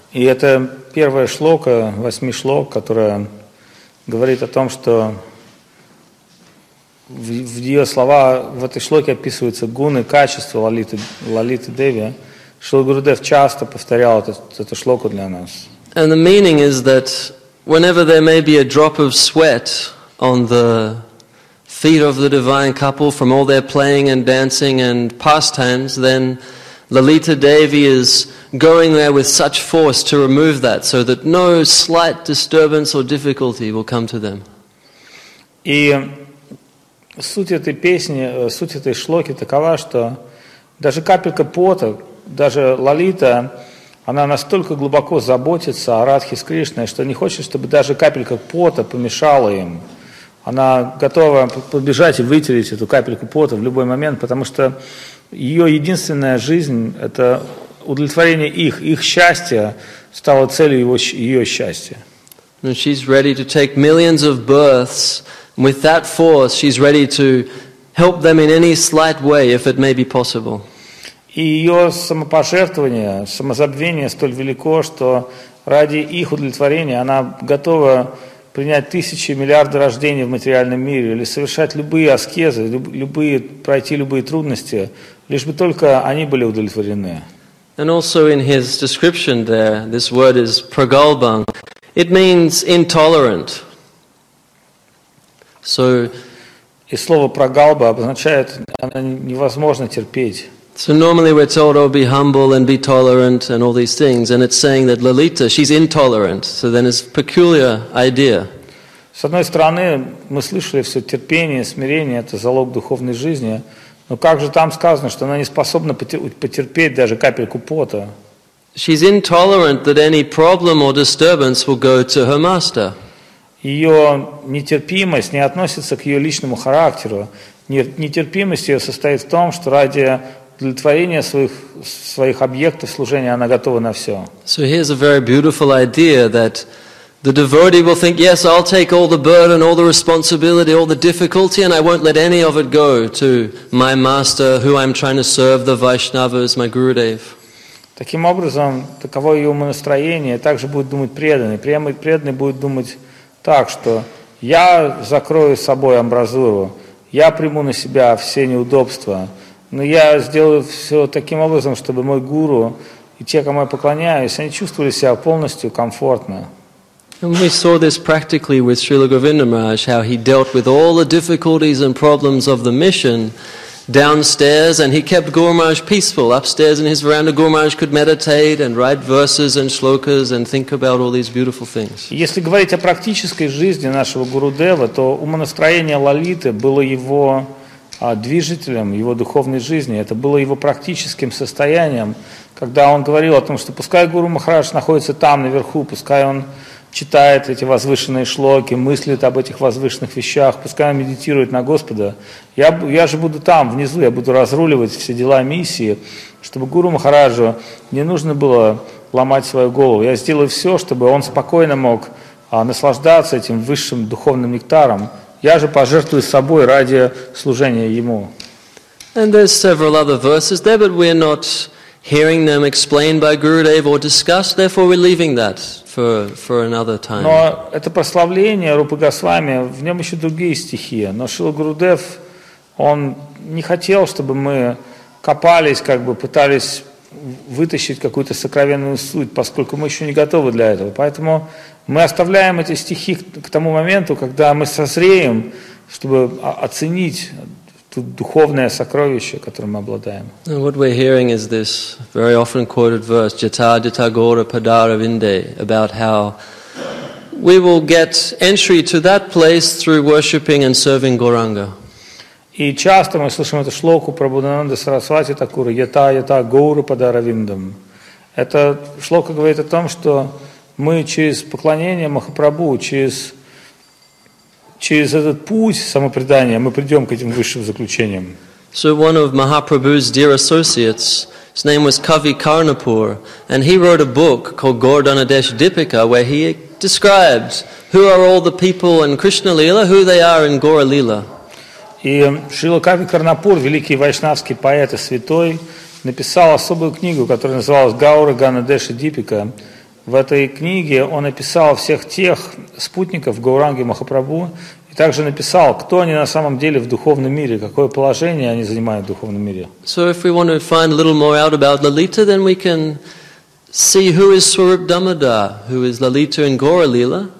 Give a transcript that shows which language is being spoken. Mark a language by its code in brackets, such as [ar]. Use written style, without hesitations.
[ru] И это первая шлока, восьми шлок, которая говорит о том, что в ее слова, в этой шлоке описываются гуны, качества Лалиты Деви. Шрила Гурудев часто повторял эту шлоку для нас. [en] And the meaning is that whenever there may be a drop of sweat on the feet of the divine couple from all their playing and dancing and pastimes, then Lalita Devi is going there with such force to remove that so that no slight disturbance or difficulty will come to them. [ru] И суть этой песни, суть этой шлоки такова, что даже капелька пота, даже Лалита, она настолько глубоко заботится о Радхе с Кришной, что не хочет, чтобы даже капелька пота помешала им. Она готова побежать и вытереть эту капельку пота в любой момент, потому что ее единственная жизнь – это удовлетворение их. Их счастье стало целью ее счастья. [en] Но she's ready to take millions of births. With that force, she's ready to help them in any slight way, if it may be possible. [ru] И ее самопожертвование, самозабвение столь велико, что ради их удовлетворения она готова принять тысячи, миллиарды рождений в материальном мире или совершать любые аскезы, пройти любые трудности, лишь бы только они были удовлетворены. [en] And also in his description there, this word is pragalbang. It means intolerant. So, [ru] и слово прагалба обозначает, она невозможно терпеть. [en] So normally we're told, oh, be humble and be tolerant and all these things, and it's saying that Lalita, she's intolerant. So then it's a peculiar idea. [ru] С одной стороны, мы слышали все терпение, смирение, это залог духовной жизни, но как же там сказано, что она не способна потерпеть даже капельку пота? [en] She's intolerant that any problem or disturbance will go to her master. [ru] Ее нетерпимость не относится к ее личному характеру. Нетерпимость ее состоит в том, что ради удовлетворения своих объектов служения она готова на все. [en] So here's a very beautiful idea that the devotee will think, yes, I'll take all the burden, all the responsibility, all the difficulty, and I won't let any of it go to my master, who I'm trying to serve, the Vaishnavas, my Gurudev. [ru] Таким образом, таково ее умонастроение, также будет думать преданный. Преданный будет думать так, что я закрою собой амбразуру, я приму на себя все неудобства, но я сделаю все таким образом, чтобы мой гуру и те, кому я поклоняюсь, они чувствовали себя полностью комфортно. [en] And we saw this practically with Srila Govinda Maharaj, how he dealt with all the difficulties and problems of the mission downstairs, and he kept Guru Maharaj peaceful. Upstairs in his veranda, Guru Maharaj could meditate and write verses and shlokas and think about all these beautiful things. [ru] Если говорить о практической жизни нашего Гурудева, то умонастроение Лолиты было его движителем, его духовной жизни. Это было его практическим состоянием, когда он говорил о том, что пускай Гуру Махарадж находится там, наверху, пускай он читает эти возвышенные шлоки, мыслит об этих возвышенных вещах, пускай он медитирует на Господа. Я же буду там, внизу, я буду разруливать все дела миссии, чтобы Гуру Махараджу не нужно было ломать свою голову. Я сделаю все, чтобы он спокойно мог наслаждаться этим высшим духовным нектаром. Я же пожертвую собой ради служения ему. [en] And there's several other verses there, but we're not hearing them explained by Gurudev or discussed, therefore we're leaving that for another time. [ru] Но это прославление Рупы Госвами, в нем еще другие стихи. Но Шрила Гурудев, он не хотел, чтобы мы копались, как бы пытались вытащить какую-то сокровенную суть, поскольку мы еще не готовы для этого. Поэтому мы оставляем эти стихи к тому моменту, когда мы созреем, чтобы оценить духовное сокровище, которым мы обладаем. [en] And what we're hearing is this very often quoted verse, Jata Jata Gora Padaravinde, about how we will get entry to that place through worshipping and serving Goranga. [ru] И часто мы слышим эту шлоку Прабхунанда Сарасвати Такура, Jata Jata Gora Padaravindam. Эта шлока говорит о том, что мы через поклонение Махапрабху, через этот путь самопредания мы придем к этим высшим заключениям. [en] So one of Mahaprabhu's dear associates, his name was Kavi Karnapur, and he wrote a book called Gaurdhanadesh Dipika, where he described who are all the people in Krishna Lila, who they are in Gaura Lila. [ru] И Шрила Кави Карнапур, великий вайшнавский поэт и святой, написал особую книгу, которая называлась Гаурдханадеша Дипика. В этой книге он описал всех тех спутников Гауранги Махапрабху и также написал, кто они на самом деле в духовном мире, какое положение они занимают в духовном мире. [en] So if we want to find a little more out about Lalita, then we can see who is Swarup Damodar, who is Lalita in Gaura Lila.